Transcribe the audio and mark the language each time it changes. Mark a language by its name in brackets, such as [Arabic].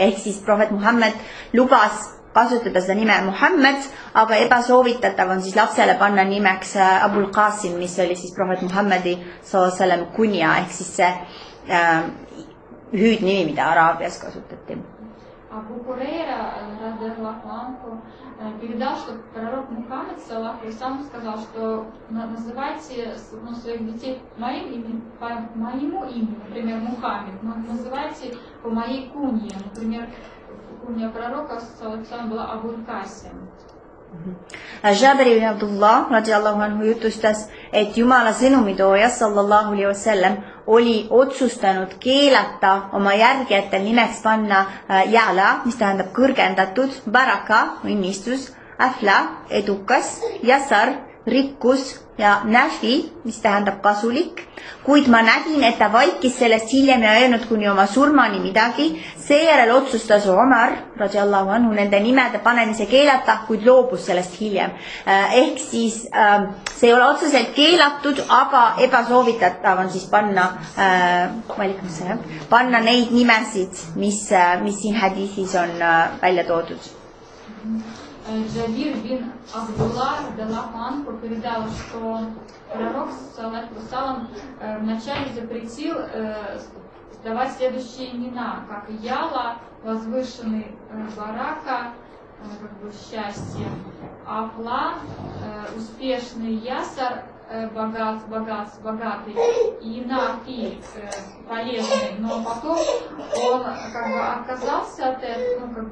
[Estonian] Ehk siis prohvet Muhammad lubas kasutada seda nime Muhammad, aga ebasoovitatav on siis lapsele panna nimeks Abul Qasim, mis oli siis prohvet Muhammadi sallallahu alaihi wasallam kunja. Ehk siis see hüüd nimi, mida Araabias kasutati. [Russian] Abu Hurairah radhiyallahu anhu передал, что пророк Мухаммед саллаллаху алейхи ва саллям сказал, что называйте своих детей моим именем, по моему имени, например, Мухаммед, но называйте по моей кунье, например, кунья пророка саллаллаху алейхи ва саллям была Абу Касим. [Estonian] Jabri ibn Abdullah radiyallahu anhu jutustas, et Jumala sõnumitooja sallallahu alaihi wasallam oli otsustanud keelata oma järgijatel nimeks panna Jala, mis tähendab kõrgendatud, Baraka, õnnistus, Afla, edukas, Jasar, rikkus ja Nafi, mis tähendab kasulik, kuid ma nägin, et ta vaikis sellest hiljem ja öelnud kuni oma surmani midagi, seejärel otsustas Omar, radiyallahu anhu, nende nimede panemise keelata, kuid loobus sellest hiljem. Ehk siis see ei ole otsuselt keelatud, aga ebasoovitatav on siis panna neid nimesid, mis siin hädisis on välja toodud. [Russian] Джабир бин Абдулла радиаллаху анху передал, что пророк саллаллаху алейхи ва саллям вначале запретил давать следующие имена, как Яла, возвышенный Барака, счастье, Афла, успешный Ясар, богатый, и Нафи, полезный, но потом он отказался от этого,